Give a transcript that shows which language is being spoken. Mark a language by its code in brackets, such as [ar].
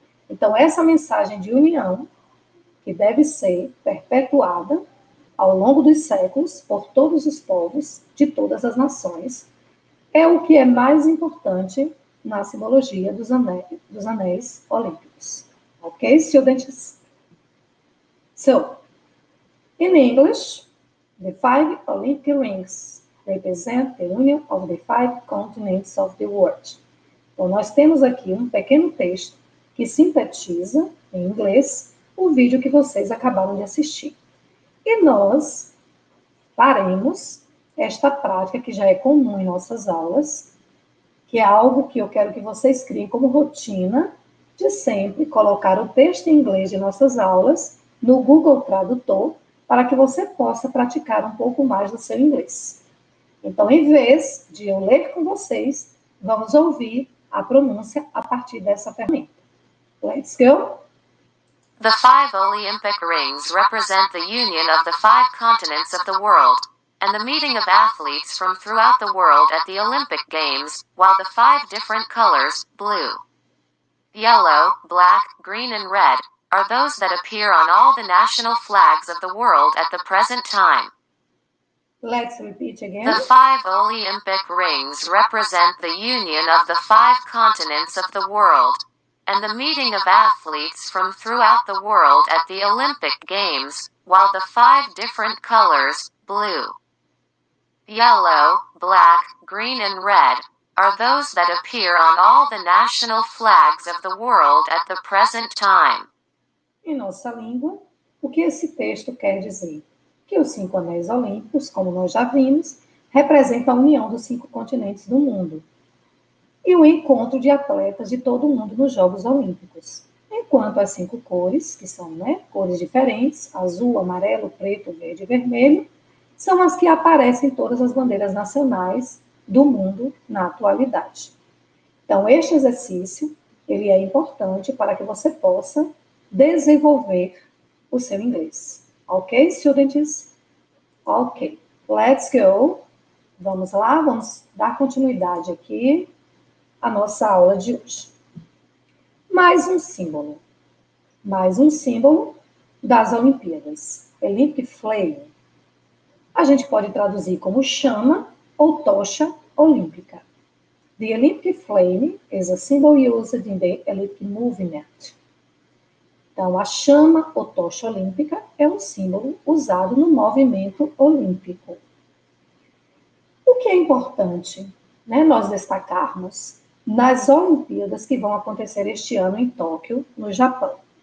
[pt] Então, essa mensagem de união, que deve ser perpetuada ao longo dos séculos por todos os povos de todas as nações, é o que é mais importante na simbologia dos anéis olímpicos. [en] Ok, students? So, in English, the 5 Olympic rings represent the union of the 5 continents of the world. [pt] Então, nós temos aqui um pequeno texto que sintetiza, em inglês, o vídeo que vocês acabaram de assistir. E nós faremos esta prática que já é comum em nossas aulas, que é algo que eu quero que vocês criem como rotina de sempre colocar o texto em inglês de nossas aulas no Google Tradutor, para que você possa praticar um pouco mais do seu inglês. Então, em vez de eu ler com vocês, vamos ouvir a pronúncia a partir dessa ferramenta. [en] Let's go! The 5 Olympic rings represent the union of the 5 continents of the world and the meeting of athletes from throughout the world at the Olympic Games, while the 5 different colors, blue, yellow, black, green and red, are those that appear on all the national flags of the world at the present time. Let's repeat again. The 5 Olympic rings represent the union of the 5 continents of the world and the meeting of athletes from throughout the world at the Olympic Games, while the 5 different colors, blue, yellow, black, green and red, are those that appear on all the national flags of the world at the present time. [pt] Em nossa língua, o que esse texto quer dizer? Que os 5 anéis olímpicos, como nós já vimos, representam a união dos 5 continentes do mundo e o encontro de atletas de todo o mundo nos Jogos Olímpicos. Enquanto as 5 cores, que são, né, cores diferentes, azul, amarelo, preto, verde e vermelho, são as que aparecem em todas as bandeiras nacionais do mundo na atualidade. Então, este exercício, ele é importante para que você possa desenvolver o seu inglês. [en] Ok, students? Ok, let's go. [pt] Vamos lá, vamos dar continuidade aqui à nossa aula de hoje. Mais um símbolo. Mais um símbolo das Olimpíadas. Olympic Flame. A gente pode traduzir como chama ou tocha olímpica. [en] The Olympic Flame is a symbol used in the Olympic Movement. [pt] Então, a chama ou tocha olímpica é um símbolo usado no movimento olímpico. O que é importante, né, nós destacarmos nas Olimpíadas que vão acontecer este ano em Tóquio, no Japão?